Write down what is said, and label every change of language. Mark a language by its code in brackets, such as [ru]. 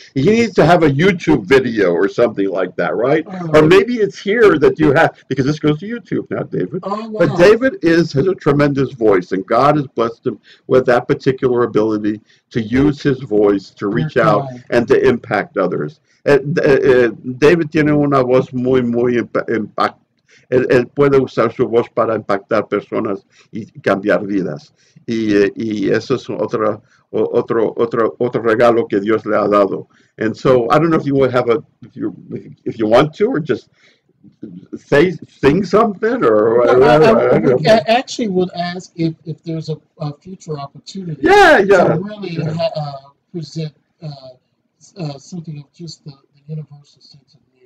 [en] He needs to have a YouTube video or something like that, right? Or maybe it's here that you have, because this goes to YouTube, not David. Oh, wow. But David has a tremendous voice, and God has blessed him with that particular ability to use his voice to reach out and to impact others. [es] David tiene una voz muy, muy impactante. Él puede usar su voz para impactar personas y cambiar vidas. Y eso es otro regalo que Dios le ha dado. [en] And so I don't know if you want to, or just say sing something, or I actually would ask if there's a future opportunity. Present something of just the universal sense of.